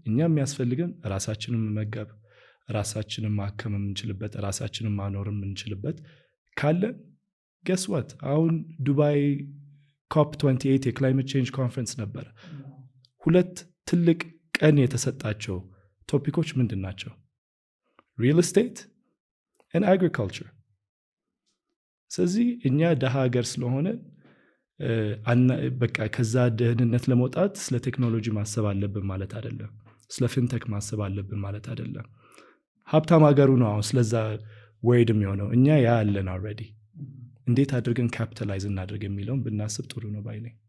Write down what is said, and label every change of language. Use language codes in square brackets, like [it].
[am] እኛም ያስፈልገን ራሳችንን መመገብ፣ ራሳችንን ማከምም እንችልበት፣ ራሳችንን ማኖርም እንችልበት ካለ [en] guess what? [am] አሁን ዱባይ COP28 የክላይሜት ቼንጅ ኮንፈረንስ ነበር። ሁለት ትልቅ ቀን የተሰጣቸው ቶፒኮች ምንድናቸው? [en] Real estate and agriculture. [am] ስለዚህ እኛ ደሃ ሀገር ስለሆነ አና በቃ ከዛ ደህንነት ለመውጣት ስለ ቴክኖሎጂ ማሰብ አለብን ማለት አይደለም። ስለ ፊንቴክ ማሰብ አለብን ማለት አይደለም። ሀብታም ሀገሩ ነው አሁን ስለዛ ወይድም የሆነው እኛ ያ አለን ኦልሬዲ። እንዴት አድርገን ካፒታላይዝ እናድርግ የሚለውን ብናስብ ጥሩ ነው ባይኔ።